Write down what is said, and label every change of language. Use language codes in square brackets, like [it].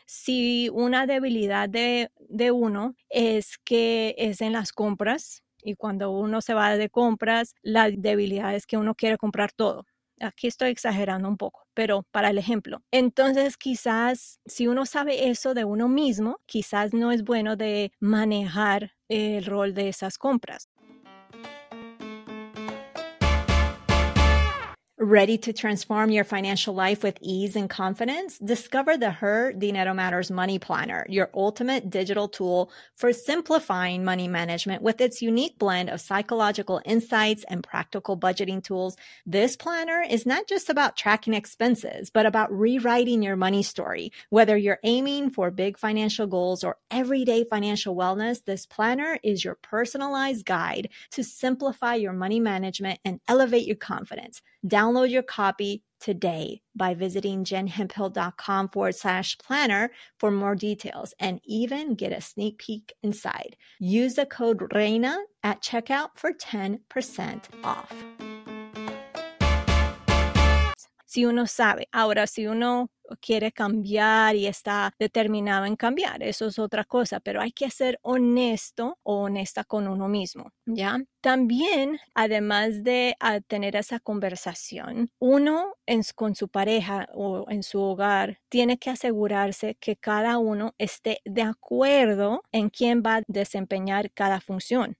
[es] Si una debilidad de uno es que es en las compras, y cuando uno se va de compras, la debilidad es que uno quiere comprar todo. Aquí estoy exagerando un poco, pero para el ejemplo. Entonces, quizás si uno sabe eso de uno mismo, quizás no es bueno de manejar el rol de esas compras. [en] Ready to transform your financial life with ease and confidence? Discover the Her Dinero Matters Money Planner, your ultimate digital tool for simplifying money management with its unique blend of psychological insights and practical budgeting tools. This planner is not just about tracking expenses, but about rewriting your money story. Whether you're aiming for big financial goals or everyday financial wellness, this planner is your personalized guide to simplify your money management and elevate your confidence. Download your copy today by visiting jenhemphill.com/planner for more details and even get a sneak peek inside. Use the code REINA at checkout for 10% off. [es] Si uno sabe, ahora si uno quiere cambiar y está determinado en cambiar, eso es otra cosa, pero hay que ser honesto o honesta con uno mismo, ¿ya? También, además de tener esa conversación, uno con su pareja o en su hogar tiene que asegurarse que cada uno esté de acuerdo en quién va a desempeñar cada función.